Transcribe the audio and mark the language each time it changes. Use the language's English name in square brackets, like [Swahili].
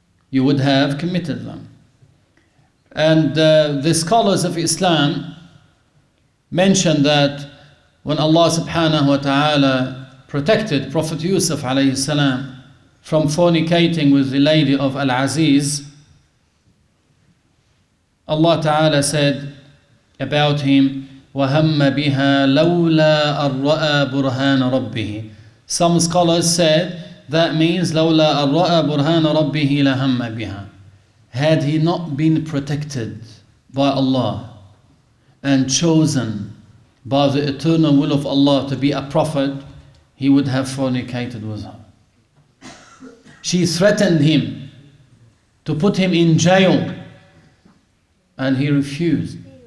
[English] You would have committed them. And the scholars of Islam mention that when Allah subhanahu wa ta'ala protected Prophet Yusuf alayhi salam from fornicating with the lady of Al-Aziz, Allah ta'ala said about him, [Arabic] وَهَمَّ بِهَا لَوْلَا أَرْرَأَ بُرْهَانَ رَبِّهِ. [English] Some scholars said that means [Arabic] لَوْلَا أَرْرَأَ بُرْهَانَ رَبِّهِ لَهَمَّ بِهَا. [English] Had he not been protected by Allah and chosen by the eternal will of Allah to be a prophet, he would have fornicated with her. She threatened him to put him in jail and he refused.